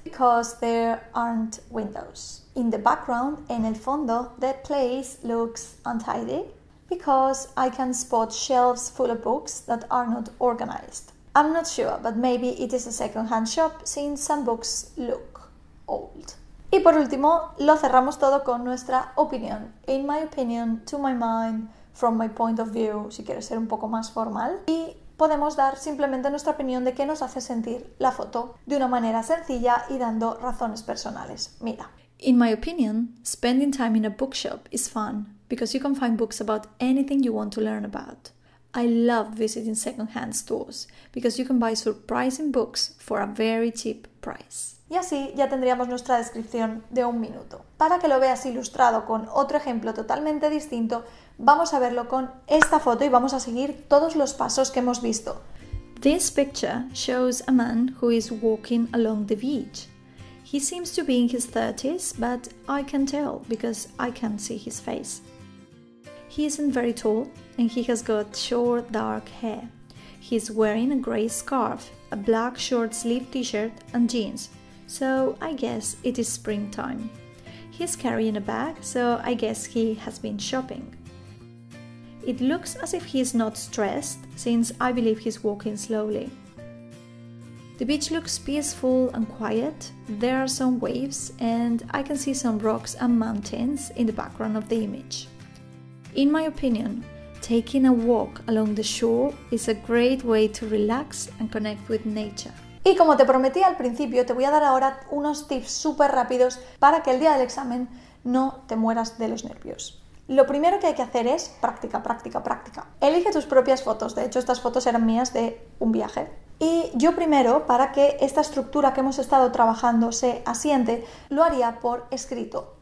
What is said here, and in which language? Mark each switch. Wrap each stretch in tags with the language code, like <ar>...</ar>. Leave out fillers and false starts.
<en>Because there aren't windows. In the background,</en> <es>en el fondo,</es> <en>the place looks untidy. Because I can spot shelves full of books that are not organized. I'm not sure, but maybe it is a second-hand shop since some books look old.</en> <es>Y por último, lo cerramos todo con nuestra opinión.</es> <en>In my opinion, to my mind, from my point of view,</en> <es>si quieres ser un poco más formal. Y podemos dar simplemente nuestra opinión de qué nos hace sentir la foto de una manera sencilla y dando razones personales. Mira.</es> <en>In my opinion, spending time in a bookshop is fun because you can find books about anything you want to learn about. I love visiting secondhand stores because you can buy surprising books for a very cheap price.</en> <es>Y así ya tendríamos nuestra descripción de un minuto. Para que lo veas ilustrado con otro ejemplo totalmente distinto, vamos a verlo con esta foto y vamos a seguir todos los pasos que hemos visto.</es> <en>This picture shows a man who is walking along the beach. He seems to be in his 30s, but I can tell because I can't see his face. He isn't very tall and he has got short dark hair. He's wearing a gray scarf, a black short sleeve t-shirt and jeans. So I guess it is springtime. He's carrying a bag, so I guess he has been shopping. It looks as if he's not stressed, since I believe he's walking slowly. The beach looks peaceful and quiet. There are some waves, and I can see some rocks and mountains in the background of the image. In my opinion, taking a walk along the shore is a great way to relax and connect with nature.</en> <es>Y como te prometí al principio, te voy a dar ahora unos tips súper rápidos para que el día del examen no te mueras de los nervios. Lo primero que hay que hacer es práctica, práctica, práctica. Elige tus propias fotos. De hecho, estas fotos eran mías de un viaje. Y yo primero, para que esta estructura que hemos estado trabajando se asiente, lo haría por escrito.</es>